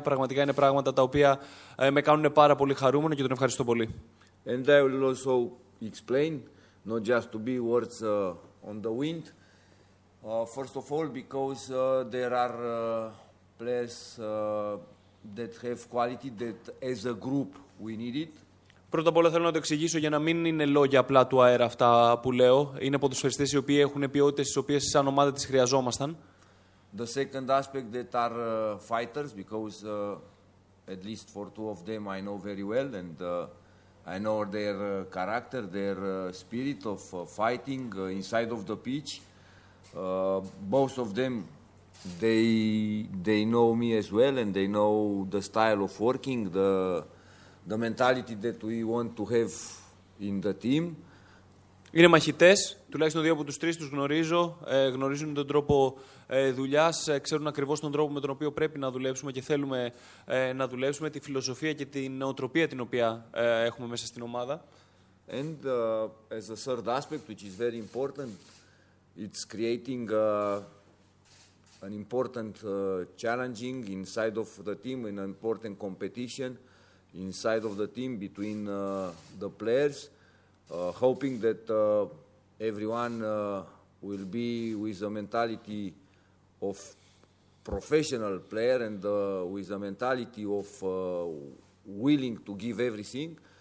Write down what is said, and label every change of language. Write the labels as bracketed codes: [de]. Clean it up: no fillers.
[el] Πραγματικά είναι πράγματα τα οποία με κάνουν πάρα πολύ χαρούμενο και τον ευχαριστώ πολύ. [en] And I will also explain, not just to be words on the wind. First of all, because there are players that have quality that as a group we need it. [el] Πρώτα απ' όλα θέλω να το εξηγήσω για να μην είναι λόγια απλά του αέρα αυτά που λέω. Είναι ποδοσφαιριστές οι οποίοι έχουν ποιότητες τις οποίες σαν ομάδα τις χρειαζόμασταν. [en] The second aspect that are fighters, because at least for two of them I know very well, and I know their character, their spirit of fighting inside of the pitch. Both of them, they know me as well, and they know the style of working, the mentality that we want to have in the team. [el] Είναι μαχητές, τουλάχιστον δύο από τους τρεις τους γνωρίζω, γνωρίζουν τον τρόπο δουλειάς, ξέρουν ακριβώς τον τρόπο με τον οποίο πρέπει να δουλέψουμε και θέλουμε να δουλέψουμε, τη φιλοσοφία και την νοοτροπία την οποία έχουμε μέσα στην ομάδα. [en] And as a third aspect, which is very important, it's creating an important challenging inside of the team, an important competition inside of the team between the players, hoping that everyone will be with the mentality of professional player and with the mentality of willing to give everything.